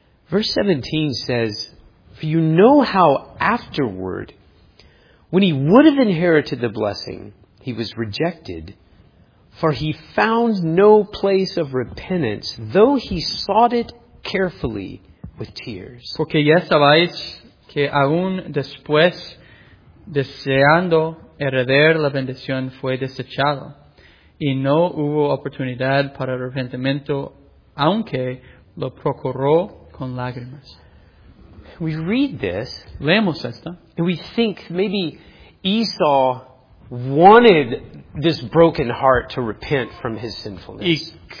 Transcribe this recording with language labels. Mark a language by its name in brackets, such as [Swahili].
[English] Verse 17 says, "For you know how afterward, when he would have inherited the blessing, he was rejected, for he found no place of repentance, though he sought it carefully with tears." [Spanish] Porque ya sabéis que aún después, deseando heredar la bendición, fue desechado. Y no hubo oportunidad para arrepentimiento, aunque lo procuró con lágrimas. [English] We read this. [Spanish] Leemos esto. [English] And we think maybe Esau wanted this broken heart to repent from his sinfulness.